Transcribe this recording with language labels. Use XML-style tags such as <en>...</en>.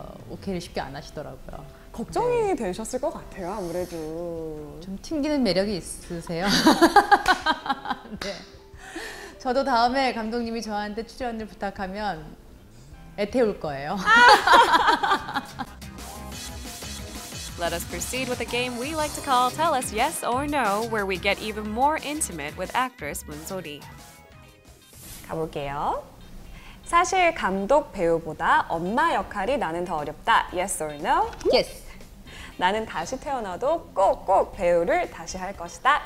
<ko>오케이를 쉽게 안 하시더라고요. 걱정이 네. 되셨을 것 같아요, 아무래도. 좀 튕기는 매력이 있으세요. 네. 저도 다음에 감독님이 저한테 출연을 부탁하면 애태울 거예요.</ko> <en>Let us proceed with a game we like to call Tell Us Yes or No, where we get even more intimate with actress 문소리.</en> <ko>가볼게요. 사실 감독 배우보다 엄마 역할이 나는 더 어렵다.</ko> <en>Yes or no? Yes.</en> <ko>나는 다시 태어나도 꼭꼭 배우를 다시 할 것이다.</ko>